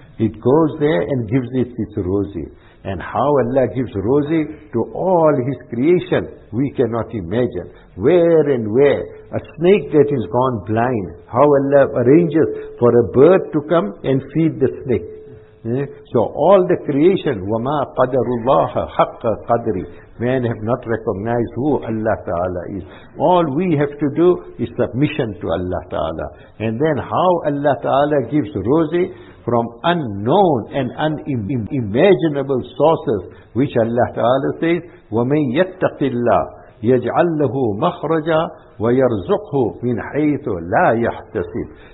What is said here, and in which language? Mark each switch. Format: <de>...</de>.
<en>It goes there and gives it its rosy. And how Allah gives rosy to all His creation, we cannot imagine. Where and where? A snake that is gone blind. How Allah arranges for a bird to come and feed the snake. So all the creation,</en> <ar>وَمَا قَدَرُ اللَّهَ حَقَّ قَدْرِ.</ar> <en>Man have not recognized who Allah Ta'ala is. All we have to do is submission to Allah Ta'ala. And then how Allah Ta'ala gives rosy from unknown and unimaginable sources, which Allah Ta'ala says,</en> <ar>وَمَنْ يَتَّقِ اللَّهِ يَجْعَلْ لَهُ مَخْرَجًا وَيَرْزُقْهُ مِنْ حَيْثُ لَا يَحْتَسِبُ.</ar>